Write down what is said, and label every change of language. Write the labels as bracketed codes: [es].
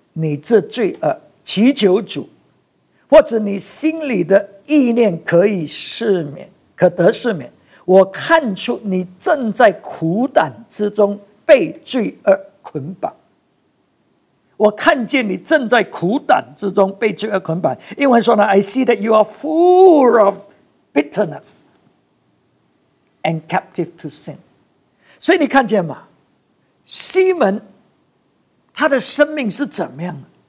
[zh] 你这罪恶，祈求主，或者你心里的意念可以赦免，可得赦免。我看出你正在苦胆之中被罪恶捆绑。我看见你正在苦胆之中被罪恶捆绑。英文说呢 [en] ，I see that you are full of bitterness and captive to sin。 [zh] 所以你看见吗？西门他的生命是怎么样的？